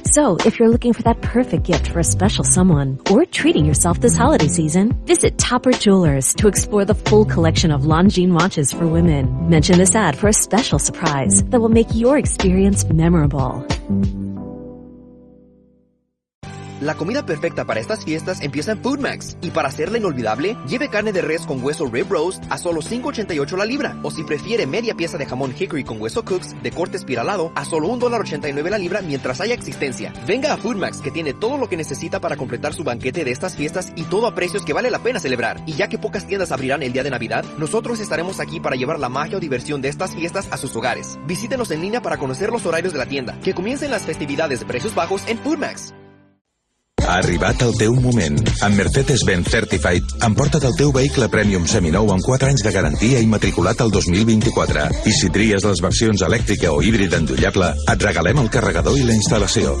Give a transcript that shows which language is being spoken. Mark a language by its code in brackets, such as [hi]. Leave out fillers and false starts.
[en] So, if you're looking for that perfect gift for a special someone or treating yourself this holiday season, visit Topper Jewelers to explore the full collection of Longines watches for women. Mention this ad for a special surprise that will make your experience memorable. [es] La comida perfecta para estas fiestas empieza en Food Max. Y para hacerla inolvidable, lleve carne de res con hueso Rib Roast a solo $5.88 la libra. O si prefiere, media pieza de jamón Hickory con hueso Cooks de corte espiralado a solo $1.89 la libra mientras haya existencia. Venga a Food Max, que tiene todo lo que necesita para completar su banquete de estas fiestas y todo a precios que vale la pena celebrar. Y ya que pocas tiendas abrirán el día de Navidad, nosotros estaremos aquí para llevar la magia o diversión de estas fiestas a sus hogares. Visítenos en línea para conocer los horarios de la tienda, que comiencen las festividades de precios bajos en Food Max. [ca] Arribat el teu moment. Amb Mercedes-Benz Certified, emporta't el teu vehicle premium seminou amb 4 anys de garantia i matriculat el 2024. I si tries les versions elèctrica o híbrida endollable, et regalem el carregador i la instal·lació.